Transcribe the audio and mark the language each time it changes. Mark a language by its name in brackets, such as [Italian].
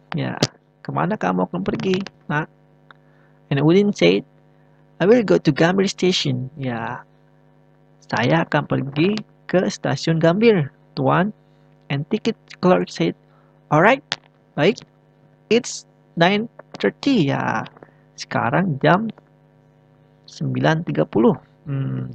[Indonesian] Ya, kemana kamu akan pergi, nak? [English] And Udin said, "I will go to Gambir Station." [Indonesian] Ya, saya akan pergi ke stasiun Gambir, tuan. [English] And ticket clerk said, "Alright, baik. It's 9:30." [Indonesian] Ya, sekarang jam 9:30.